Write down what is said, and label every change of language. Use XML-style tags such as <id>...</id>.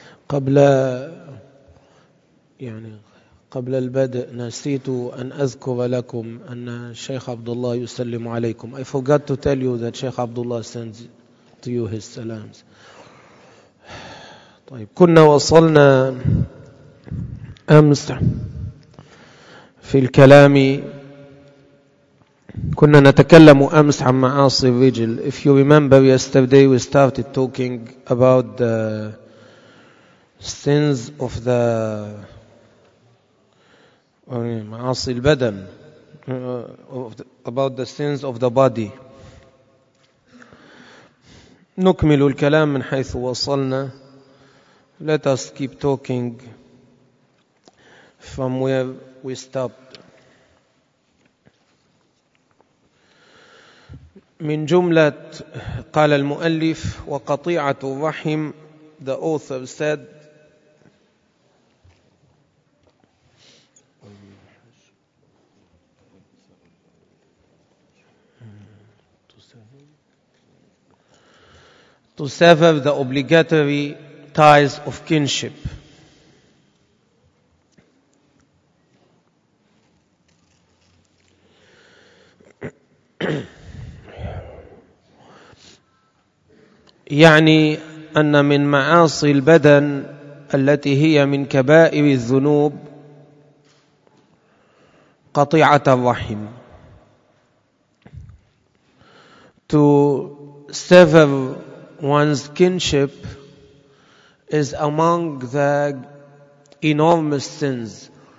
<ar>قبل البدء نسيت أن أذكر لكم أن الشيخ عبد الله يسلم عليكم.</ar> <en>I forgot to tell you that Sheikh Abdullah sends to you his salams.</en> <ar>طيب كنا وصلنا أمس في الكلام كنا نتكلم أمس عن معاصي الرجل.</ar> <en>If you remember yesterday we started talking about the sins of the ma'asi al-badan, about the sins of the body.</en> <ar>نكمل الكلام من حيث وصلنا.</ar> <en>Let us keep talking from where we stopped.</en> <ar>من جملة قال المؤلف وقطيعة الرحم,</ar> <en>the author said, to sever the obligatory ties of kinship.</en> <ar>يعني أن من معاصي البدن التي هي من كبائر الذنوب قطيعة الرحم.</ar> <en>To sever one's kinship is among the enormous sins.</en>